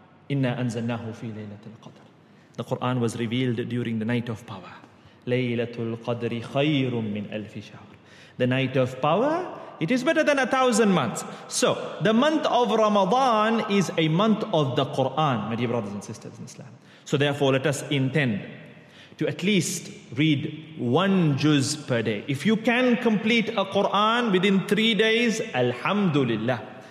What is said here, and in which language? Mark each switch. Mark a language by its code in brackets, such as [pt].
[ar] إنا أنزلناه في ليلة القدر. [en] The Quran was revealed during the night of power. [ar] ليلة القدر خير من ألف شهر. [en] The night of power, it is better than 1,000 months. So, the month of Ramadan is a month of the Quran, my dear brothers and sisters in Islam. So therefore, let us intend to at least read one juz per day. If you can complete a Quran within 3 days, alhamdulillah.